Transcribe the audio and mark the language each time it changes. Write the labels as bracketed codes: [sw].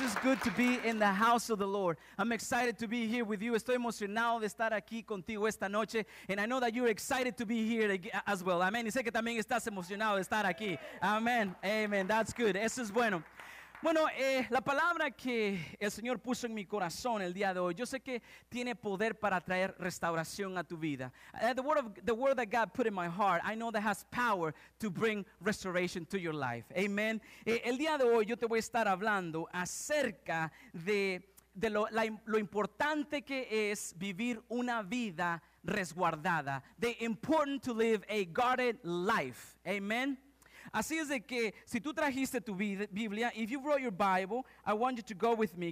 [en] It's good to be in the house of the Lord. I'm excited to be here with you. [es] Estoy emocionado de estar aquí contigo esta noche. [en] And I know that you're excited to be here as well. [es] Amen. Y sé que también estás emocionado de estar aquí. [en] Amen. Amen. That's good. [es] Eso es bueno. Bueno, la palabra que el Señor puso en mi corazón el día de hoy, yo sé que tiene poder para traer restauración a tu vida. [en] The word that God put in my heart, I know that has power to bring restoration to your life. Amen. [es] El día de hoy yo te voy a estar hablando acerca de lo importante que es vivir una vida resguardada. [en] The important to live a guarded life. Amen. [es] Así es de que si tú trajiste tu Biblia, [en] if you brought your Bible, I want you to go with me.